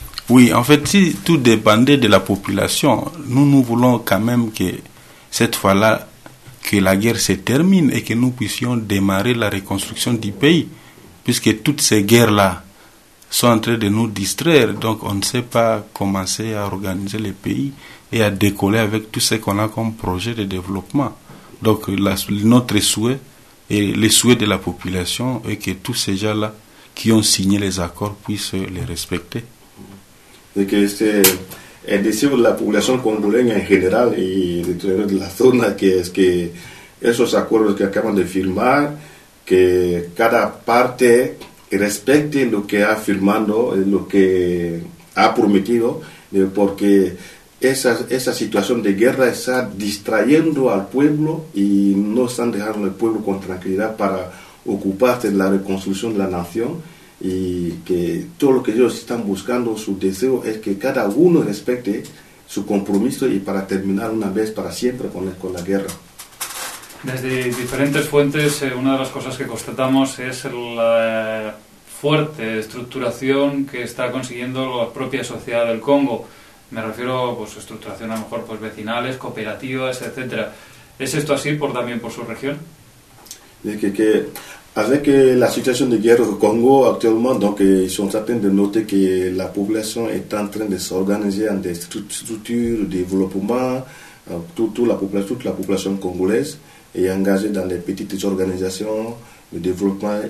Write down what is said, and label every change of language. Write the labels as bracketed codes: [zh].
[fr] Oui, en fait, si tout dépendait de la population, nous voulons quand même que cette fois-là, que la guerre se termine et que nous puissions démarrer la reconstruction du pays, puisque toutes ces guerres-là sont en train de nous distraire, donc on ne sait pas commencer à organiser le pays et à décoller avec tout ce qu'on a comme projet de développement. Donc notre souhait et le souhait de la population est que tous ces gens-là qui ont signé les accords puissent les respecter. Et que c'est décide de la population congolaise en général et de la zone que est-ce que [es] esos acuerdos que acaban de firmar que cada parte respecte lo que ha firmado lo que ha prometido porque esa situación de guerra está distrayendo al pueblo y no están dejando al pueblo con tranquilidad para ocuparse de la reconstrucción de la nación. Y que todo lo que ellos están buscando, su deseo es que cada uno respete su compromiso y para terminar una vez para siempre con la guerra. Desde diferentes fuentes, una de las cosas que constatamos es la fuerte estructuración que está consiguiendo la propia sociedad del Congo. Me refiero a estructuración a lo mejor vecinales, cooperativas, etcétera. ¿Es esto así también por su región? Es que [fr] avec la situation de guerre au Congo actuellement, donc ils sont en train de noter que la population est en train de s'organiser en des structures de développement, toute la population congolaise est engagée dans des petites organisations de développement.